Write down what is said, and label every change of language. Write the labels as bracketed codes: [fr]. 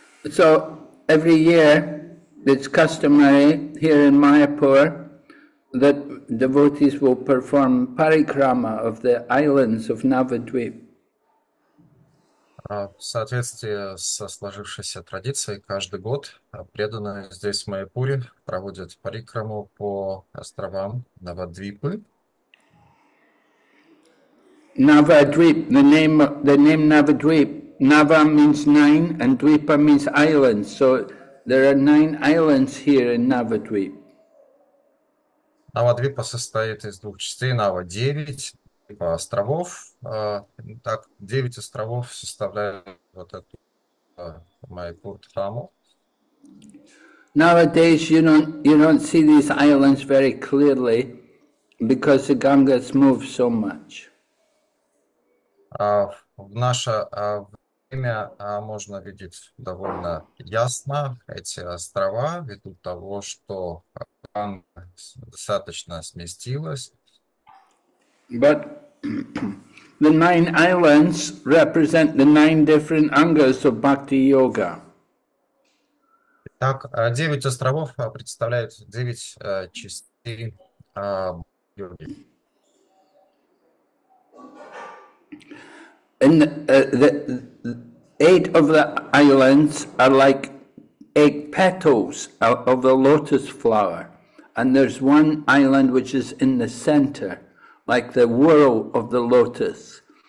[en] So every year it's customary here in Mayapur that devotees will perform parikrama of the islands of Navadvipa. [ru] В соответствии со сложившейся традицией, каждый год преданные здесь, в Майяпуре, проводят парикраму по островам Навадвипы. [en] Navadvip, the name Navadvip. Nava means nine and Dvipa means islands. So there are nine islands here in Navadvip. [ru] Навадвипа состоит из двух частей, Нава 9, островов. Так, 9 островов составляют вот эту Майяпур-храму. [en] Nowadays you don't see these islands very clearly because the Gangas move so much. [ru] В наше время можно видеть довольно ясно эти острова, ввиду того, что Ганга достаточно сместилась. [en] But the nine islands represent the nine different angas of bhakti yoga. [ru] Так, 9 островов представляют 9 частей йоги. [en] The eight of the islands are like eight petals of a lotus flower, and there's one island which is in the center, like the whorl of the lotus.